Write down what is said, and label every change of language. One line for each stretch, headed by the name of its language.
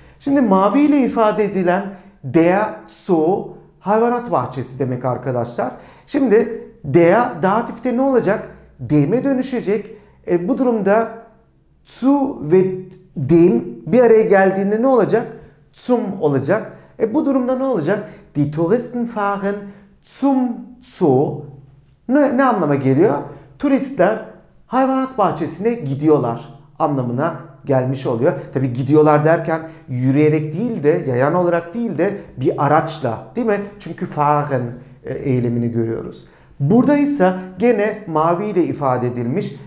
Turkish: Şimdi mavi ile ifade edilen der Zoo hayvanat bahçesi demek arkadaşlar. Şimdi der datifte ne olacak? Dem'e dönüşecek. Bu durumda zu ve dem bir araya geldiğinde ne olacak? Zum olacak. Bu durumda ne olacak?
German: Die Touristen fahren zum Zoo.
Turkish: Ne anlama geliyor? Turistler hayvanat bahçesine gidiyorlar anlamına gelmiş oluyor. Tabi gidiyorlar derken yürüyerek değil de yayan olarak değil de bir araçla, değil mi? Çünkü fahren eğilimini görüyoruz. Burada ise gene mavi ile ifade edilmiş.